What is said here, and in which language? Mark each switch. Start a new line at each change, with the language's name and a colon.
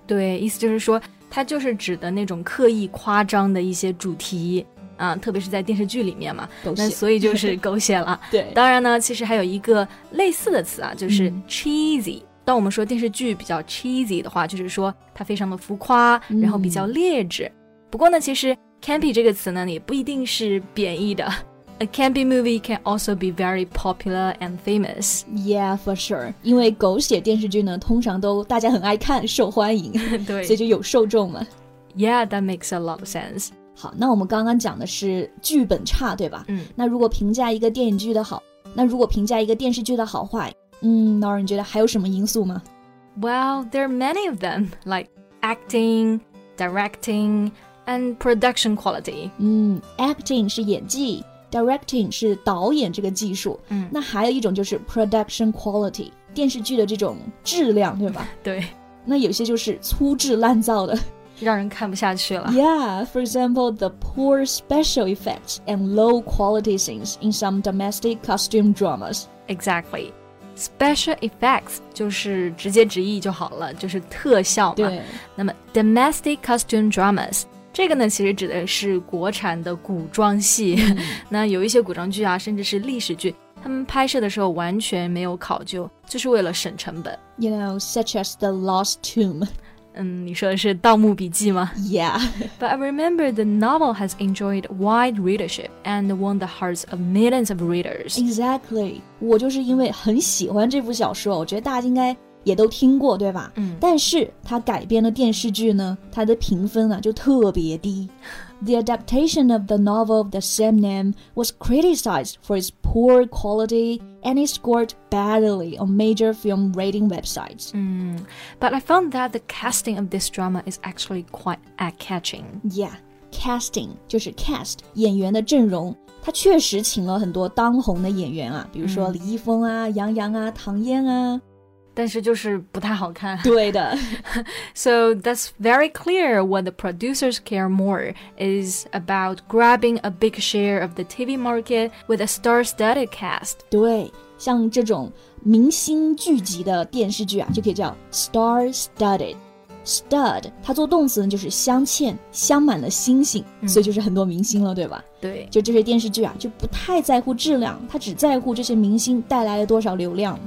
Chinese: 对，意思就是说它就是指的那种刻意夸张的一些主题啊，特别是在电视剧里面嘛，狗血，那所以就是狗血了。对，当然呢其实还有一个类似的词啊，就是 cheesy。当我们说电视剧比较 cheesy 的话，就是说它非常的浮夸，然后比较劣质。不过呢其实 campy 这个词呢也不一定是贬义的。
English: A campy movie can also be very popular and famous. Yeah, for sure.
Chinese: 因为狗血电视剧呢通常都大家很爱看，受欢迎。对，所以就有受众嘛。
English: Yeah, that makes a lot of sense.
Chinese: 好，那我们刚刚讲的是剧本差，对吧？那如果评价一个电影剧的好，那如果评价一个电视剧的好坏，Nora, 你觉得还有什么因素吗？
English: Well, there are many of them, like acting, directing, and production quality.
Chinese: Acting 是演技，Directing 是导演这个技术，那还有一种就是 production quality, 电视剧的这种质量，对吧？对。那有些就是粗制滥造的，让人看不下去了。
English: Yeah, for example, the poor special effects and low quality scenes in some domestic costume dramas. Exactly.
Chinese: Special effects 就是直接直译就好了，就是特效嘛。对。那么 domestic costume dramas,这个呢其实指的是国产的古装戏。那有一些古装剧啊，甚至是历史剧，他们拍摄的时候完全没有考究，就是为了省成本。
English: You know, such as The Lost Tomb.
Chinese: 你说的是盗墓笔记吗？
English: Yeah. But I remember the novel has enjoyed wide readership and won the hearts of millions of readers. Exactly.
Chinese: 我就是因为很喜欢这部小说，我觉得大家应该也都听过，对吧？但是它改编的电视剧呢，它的评分啊就特别低。
English: The adaptation of the novel of the same name was criticized for its poor quality and it scored badly on major film rating websites. But I found that the casting of this drama is actually quite eye-catching.
Chinese: Yeah, casting 就是 cast, 演员的阵容。它确实请了很多当红的演员啊，比如说李易峰啊、杨洋啊、唐嫣啊。但是就是不太好看。对的。
English: So that's very clear what the producers care more is about grabbing a big share of the TV market with a star-studded cast.
Chinese: 对，像这种明星聚集的电视剧啊，就可以叫 star-studded。 Stud 它做动词呢就是镶嵌镶满了星星、所以就是很多明星了对吧对就这些电视剧啊就不太在乎质量它只在乎这些明星带来了多少流量